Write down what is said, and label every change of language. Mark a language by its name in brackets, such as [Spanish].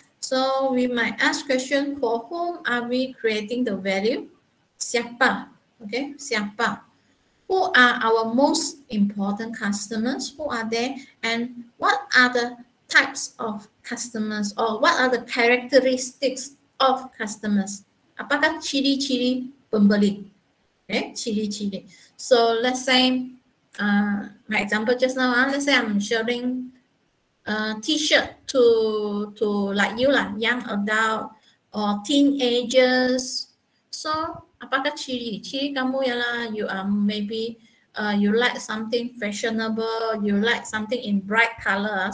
[English] So we might ask question, for whom are we creating the value? [Malay] Siapa? Okay, siapa? [English] Who are our most important customers? Who are they? And what are the types of customers, or what are the characteristics of customers? [Malay] Apakah ciri-ciri pembeli? Okay, ciri-ciri. [English] So let's say, my example just now, let's say I'm showing T-shirt to like you lah, young adult or teenagers. So [Malay] apakah ciri? Ciri kamu ialah [English] you are maybe you like something fashionable, you like something in bright color.